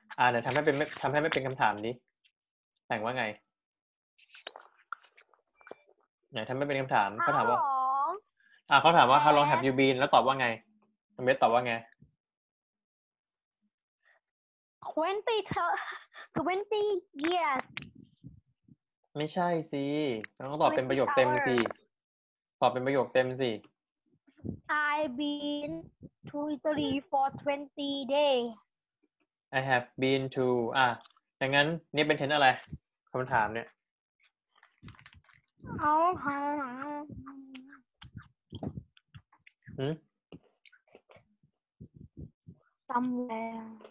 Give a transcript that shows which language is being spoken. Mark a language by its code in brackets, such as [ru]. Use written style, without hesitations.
[th] เดี๋ยวทำให้ไม่เป็นคำถามดิแต่งว่าไงไหนทำให้เป็นคำถามเขาถามว่าเขาถามว่า [en] How long have you been [th] แล้วตอบว่าไงน้องเบสตอบว่าไง [en] 20 years [th] ไม่ใช่สิต้องตอบเป็นประโยคเต็มสิตอบเป็นประโยคเต็มสิ [en] I've been to Italy for 20 days. I have been to [th] ดังนั้นนี่เป็น tense อะไรคำถามเนี่ย [en] How long somewhere